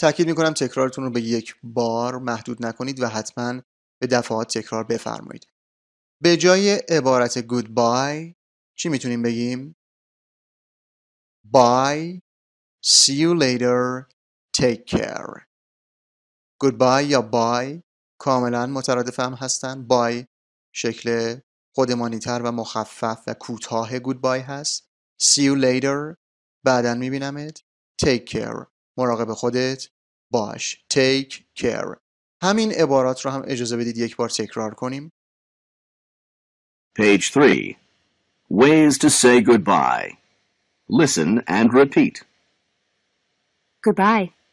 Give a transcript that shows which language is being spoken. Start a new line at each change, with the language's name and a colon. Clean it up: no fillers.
Persian: تأکید میکنم تکرارتون رو به یک بار محدود نکنید و حتما به دفعات تکرار بفرمایید.
English: به جای عبارت goodbye چی میتونیم بگیم؟ Bye, see you later, take care.
Persian: Goodbye یا bye کاملا مترادف هم هستن. Bye شکل خودمانی تر و مخفف و کوتاه goodbye هست.
English: See you later بعدن میبینمت. Take care. مراقب خودت باش. Take care.
Persian: همین عبارات رو هم اجازه بدید یک بار تکرار کنیم.
English: Page 3. Ways to say goodbye. Listen and repeat. Goodbye.